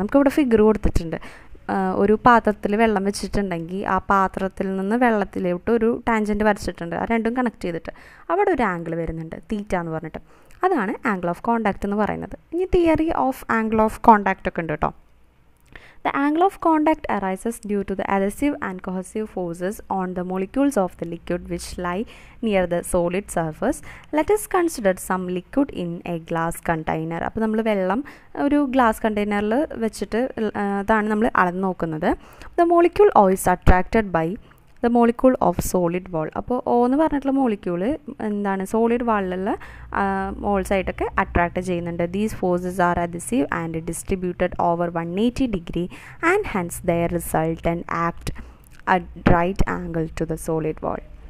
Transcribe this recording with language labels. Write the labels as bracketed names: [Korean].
[Malayalam] നമുക്കിവിടെ ഫിഗർ കൊടുത്തിട്ടുണ്ട്. ഒരു പാത്രത്തിൽ വെള്ളം വെച്ചിട്ടുണ്ടെങ്കിൽ ആ പാത്രത്തിൽ നിന്ന് വെള്ളത്തിലോട്ട് ഒരു ടാൻജൻറ് വരച്ചിട്ടുണ്ട്, ആ രണ്ടും കണക്ട് ചെയ്തിട്ട് അവിടെ ഒരു ആംഗിൾ വരുന്നുണ്ട് തീറ്റ എന്ന് പറഞ്ഞിട്ട്. അതാണ് ആംഗിൾ ഓഫ് കോണ്ടാക്ട് എന്ന് പറയുന്നത്. ഇനി theory of angle of contact ഒക്കെ ഉണ്ട് കേട്ടോ. [English] The angle of contact arises due to the adhesive and cohesive forces on the molecules of the liquid which lie near the solid surface. Let us consider some liquid in a glass container. [Malayalam] അപ്പോൾ നമ്മൾ വെള്ളം ഒരു glass കണ്ടെയ്നറിൽ വെച്ചിട്ട് അതാണ് നമ്മൾ അളന്ന് നോക്കുന്നത്. [English] The molecule O is attracted by the molecule of solid wall. [Malayalam] അപ്പോൾ O എന്ന് പറഞ്ഞിട്ടുള്ള മോളിക്യൂള് എന്താണ് സോളിഡ് വാളിലുള്ള മോൾസായിട്ടൊക്കെ അട്രാക്ട് ചെയ്യുന്നുണ്ട്. [English] These forces are adhesive and distributed over 180 degrees and hence their result and act at right angle to the solid wall.